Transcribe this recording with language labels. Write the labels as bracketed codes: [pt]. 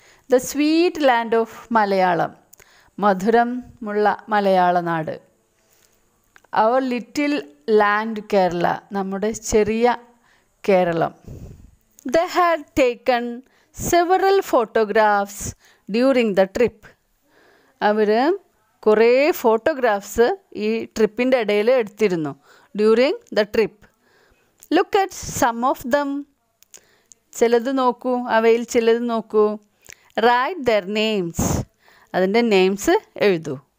[en] the sweet land of Malayalam, [ml] മധുരമുള്ള മലയാള നാട്. [en] our little land Kerala, [ml] നമ്മുടെ ചെറിയ Keralam. [en] They had taken several photographs during the trip. [ml] അവർ കുറേ ഫോട്ടോഗ്രാഫ്സ് ഈ ട്രിപ്പിൻ്റെ ഇടയിൽ എടുത്തിരുന്നു. [en] During the trip. Look at some of them. [ml] ചിലത് നോക്കൂ, അവയിൽ ചിലത് നോക്കൂ. [en] write their names, [ml] അതിൻ്റെ നെയിംസ് എഴുതൂ.